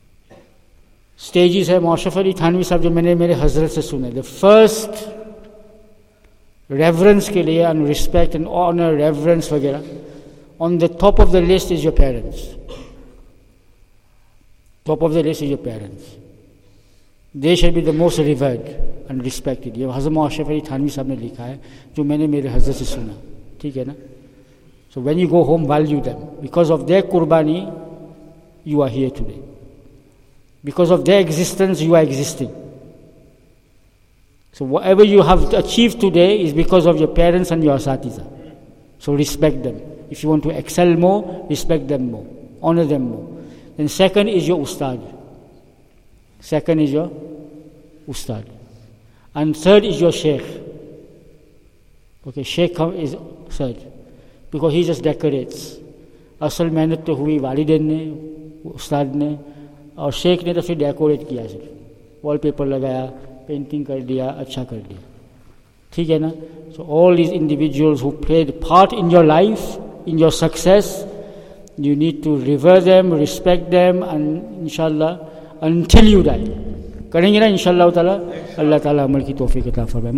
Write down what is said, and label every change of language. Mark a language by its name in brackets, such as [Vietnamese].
[Urdu] Stages ہے مؤشف علی تھانوی صاحب, جو میں نے میرے حضرت سے سنے, [English] The first reverence کے لیے and respect and honour reverence وغیرہ, on the top of the list is your parents, top of the list is your parents, they should be the most revered and respected. [Urdu] یہ حضرت مؤشف علی تھانوی صاحب نے لکھا ہے جو میں نے میرے حضرت سے سنا, ٹھیک ہے نا. [English] So when you go home, value them. Because of their qurbani, you are here today. Because of their existence, you are existing. So whatever you have achieved today is because of your parents and your asatiza. So respect them. If you want to excel more, respect them more. Honor them more. Then second is your ustad. Second is your ustad. And third is your sheikh. Okay, sheikh is third. Because he just decorates. [Urdu] اصل محنت تو ہوئی والدین نے, استاد نے, اور شیخ نے تو پھر ڈیکوریٹ کیا, صرف وال پیپر لگایا, پینٹنگ کر دیا, اچھا کر دیا, ٹھیک ہے نا. [English] so all these individuals who played part in your life, in your success, you need to revere them, respect them, and ان شاء اللہ until you die [Urdu] کریں گے نا ان شاء اللہ تعالیٰ, اللہ تعالیٰ عمل کی توفیق عطا فرمائے.